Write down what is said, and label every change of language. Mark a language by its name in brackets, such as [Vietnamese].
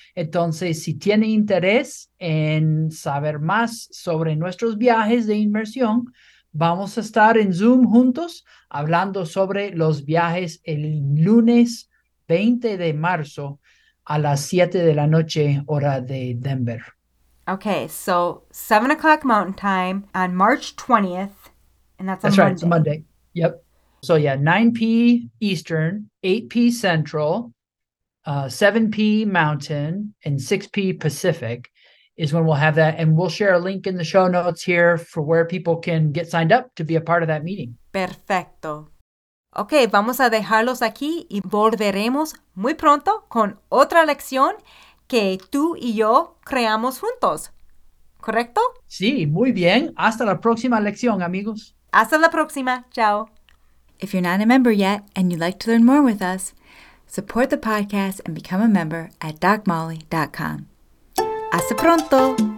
[Spanish] Entonces, si tiene interés en saber más sobre nuestros viajes de inmersión, vamos a estar en Zoom juntos hablando sobre los viajes el lunes 20 de marzo a las 7 de la noche, hora de Denver. [English] Okay, so 7 o'clock Mountain Time on March 20th, and that's a That's right, it's Monday. Monday. Yep. So yeah, 9 p. Eastern, 8 p. Central, 7 p. Mountain, and 6 p. Pacific is when we'll have that. And we'll share a link in the show notes here for where people can get signed up to be a part of that meeting. [Spanish] Perfecto. Okay, vamos a dejarlos aquí y volveremos muy pronto con otra lección que tú y yo creamos juntos, ¿correcto? Sí, muy bien. Hasta la próxima lección, amigos. Hasta la próxima, chao. [English] If you're not a member yet and you'd like to learn more with us, support the podcast and become a member at DocMolly.com. [Spanish] Hasta pronto.